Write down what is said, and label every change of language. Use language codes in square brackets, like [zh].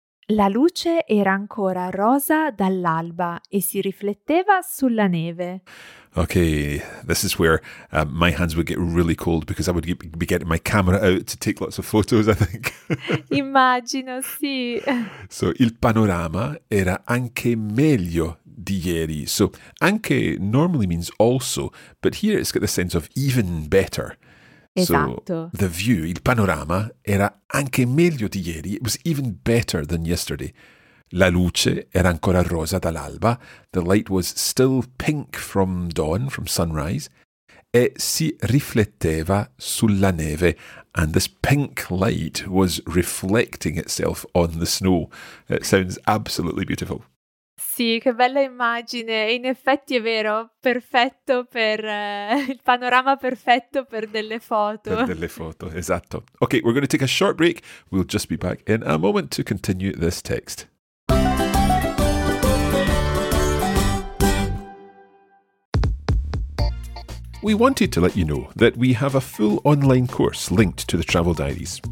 [it] La luce era ancora rosa dall'alba e si rifletteva sulla neve. [en] Okay, this is where my hands would get really cold because I would be getting my camera out to take lots of photos, I think. [it] Immagino, sì. So, il panorama era anche meglio di ieri. [en] So, anche normally means also, but here it's got the sense of even better. [it] Esatto. [en] So, the view, [it] il panorama, era anche meglio di ieri. [en] It was even better than yesterday. [it] La luce era ancora rosa dall'alba. [en] The light was still pink from dawn, from sunrise. [it] E si rifletteva sulla neve. [en] And this pink light was reflecting itself on the snow. It sounds absolutely beautiful. [it] Sì, che bella immagine. In effetti è vero, perfetto per il panorama perfetto per delle foto. Per delle foto, esatto. [en] Okay, we're going to take a short break. We'll just be back in a moment to continue this text. We wanted to let you know that we have a full online course linked to the Travel Diaries.